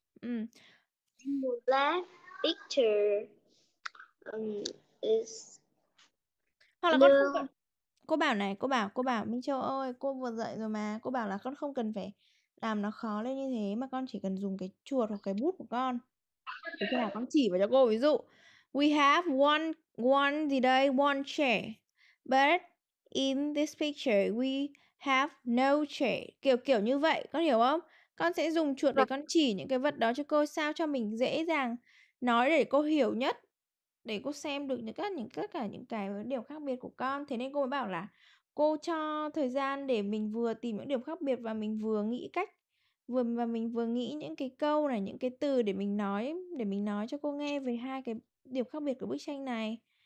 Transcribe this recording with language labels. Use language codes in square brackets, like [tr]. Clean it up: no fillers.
[en] In the left picture is [vi] hoặc là cô bảo Minh Châu ơi, cô vừa dậy rồi mà, cô bảo là con không cần phải làm nó khó lên như thế mà con chỉ cần dùng cái chuột hoặc cái bút của con. Thế là con chỉ vào cho cô ví dụ. [en] We have one [vi] gì đây? [en] One chair. But in this picture we have no chair. [vi] Kiểu như vậy, con hiểu không? Con sẽ dùng chuột để con chỉ những cái vật đó cho cô sao cho mình dễ dàng nói để cô hiểu nhất, để cô xem được những cái điều khác biệt của con. Thế nên cô mới bảo là cô cho thời gian để mình vừa tìm những điểm khác biệt và mình vừa nghĩ cách mình vừa nghĩ những cái câu này, những cái từ để mình nói cho cô nghe về hai cái điểm khác biệt của bức tranh này.